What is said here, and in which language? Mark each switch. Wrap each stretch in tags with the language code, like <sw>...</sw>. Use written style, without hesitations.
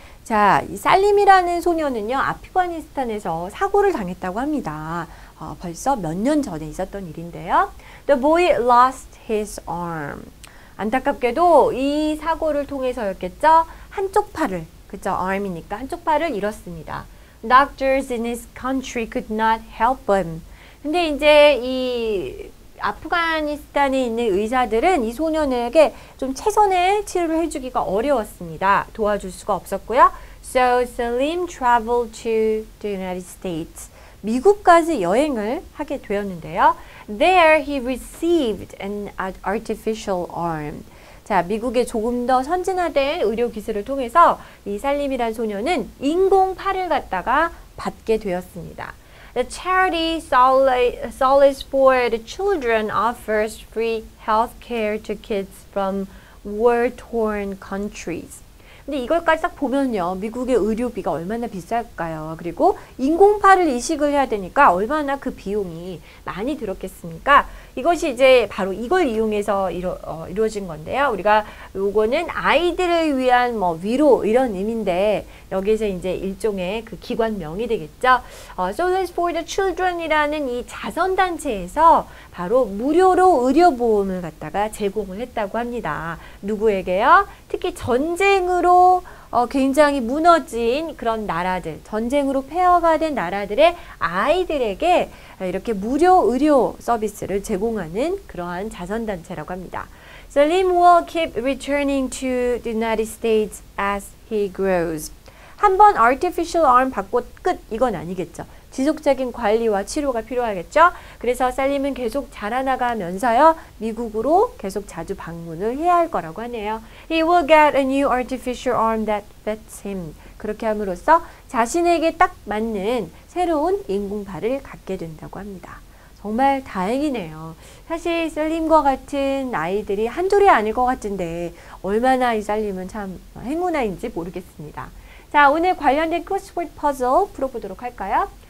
<ko>자, 이 살림이라는 소년은요, 아프가니스탄에서 사고를 당했다고 합니다. 벌써 몇년 전에 있었던 일인데요.</ko> <en>The boy lost his arm.</en> <ko>안타깝게도 이 사고를 통해서였겠죠? 한쪽 팔을, 그쵸? arm이니까 한쪽 팔을 잃었습니다.</ko> <en>Doctors in his country could not help him.</en> <ko>근데 이제 이 아프가니스탄에 있는 의사들은 이 소년에게 좀 최선의 치료를 해주기가 어려웠습니다. 도와줄 수가 없었고요.</ko> <en>So Salim traveled to the United States.</en> <ko>미국까지 여행을 하게 되었는데요.</ko> <en>There he received an artificial arm.</en> <ko>자, 미국의 조금 더 선진화된 의료 기술을 통해서 이 살림이라는 소년은 인공 팔을 갖다가 받게 되었습니다.</ko> <en>The charity Solace for the Children offers free health care to kids from war-torn countries.</en> <ko>근데 이걸까지 딱 보면요, 미국의 의료비가 얼마나 비쌀까요? 그리고 인공팔을 이식을 해야 되니까 얼마나 그 비용이 많이 들었겠습니까? 이것이 이제 바로 이걸 이용해서 이루어진 건데요. 우리가 요거는 아이들을 위한 뭐 위로 이런 의미인데, 여기서 이제 일종의 그 기관명이 되겠죠.</ko> <en>Solace for the Children</en> <ko>이라는 이 자선단체에서 바로 무료로 의료보험을 갖다가 제공을 했다고 합니다. 누구에게요? 특히 전쟁으로 굉장히 무너진 그런 나라들, 전쟁으로 폐허가 된 나라들의 아이들에게 이렇게 무료 의료 서비스를 제공하는 그러한 자선단체라고 합니다.</ko> <en>Salim will keep returning to the United States as he grows.</en> <ko>한번</ko> <en>artificial arm</en> <ko>받고 끝, 이건 아니겠죠. 지속적인 관리와 치료가 필요하겠죠. 그래서 살림은 계속 자라나가면서요, 미국으로 계속 자주 방문을 해야 할 거라고 하네요.</ko> <en>He will get a new artificial arm that fits him.</en> <ko>그렇게 함으로써 자신에게 딱 맞는 새로운 인공팔을 갖게 된다고 합니다. 정말 다행이네요. 사실 살림과 같은 아이들이 한둘이 아닐 것 같은데, 얼마나 이 살림은 참 행운아인지 모르겠습니다. 자, 오늘 관련된 크로스워드 퍼즐 풀어보도록 할까요?</ko>